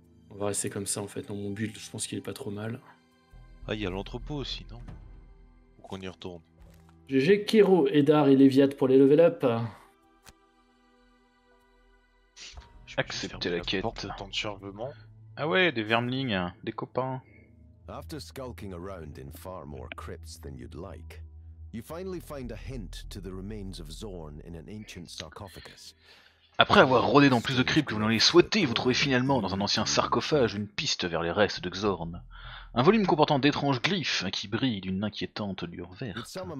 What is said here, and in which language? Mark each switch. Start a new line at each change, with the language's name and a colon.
French: On va rester comme ça en fait. Dans mon build, je pense qu'il est pas trop mal. Ah, il y a l'entrepôt aussi, non? Faut qu'on y retourne. GG Kero, Edar et Léviat pour les level up. Accepter la quête. Porte de temps de chargement. Ah ouais, des vermlings, hein. Des copains.
English: After skulking around in far more crypts than you'd like. You finally find a hint to the remains of Zorn in an ancient sarcophagus.
French: Après avoir rôdé dans plus de cryptes que vous n'en avez souhaité, vous trouvez finalement dans un ancien sarcophage une piste vers les restes de Xorn. Un volume comportant d'étranges glyphes qui brillent d'une inquiétante lueur verte.